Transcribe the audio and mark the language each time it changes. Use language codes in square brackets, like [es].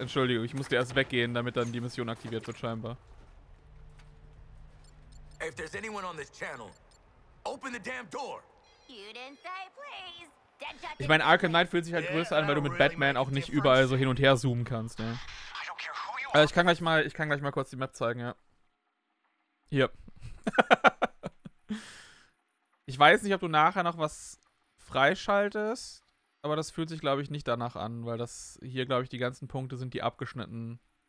[de] Entschuldigung, ich musste erst weggehen, damit dann die Mission aktiviert wird, scheinbar. [en] If there's anyone on this channel, open the damn door. You didn't say please. [de] Ich meine, Arkham Knight fühlt sich halt größer an, weil du mit Batman auch nicht überall so hin und her zoomen kannst, ne? Also ich kann gleich mal kurz die Map zeigen, ja. Hier. Ich weiß nicht, ob du nachher noch was freischaltest, aber das fühlt sich, glaube ich, nicht danach an, weil das hier, glaube ich, die ganzen Punkte sind, die abgeschnitten.